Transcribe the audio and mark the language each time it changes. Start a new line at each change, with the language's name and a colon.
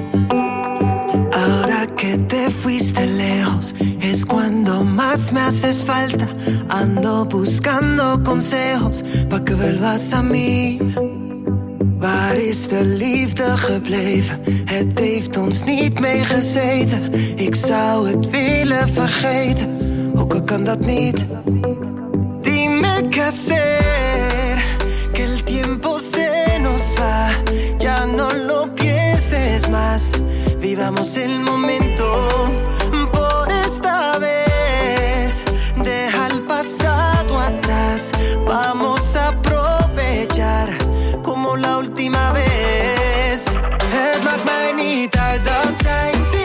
Spanish: Ahora que te fuiste lejos, es cuando más me haces falta. Ando buscando consejos, pa' que vuelvas a mí.
Dutch: Waar is de liefde gebleven? Het heeft ons niet meegezeten. Ik zou het willen vergeten, ook al kan dat niet.
Spanish: Dime qué hacer. El tiempo se nos va, ya no lo pienses más. Vivamos el momento por esta vez. Deja el pasado atrás, vamos a aprovechar como la última vez.
Dutch: Het maakt mij niet uit dat zij.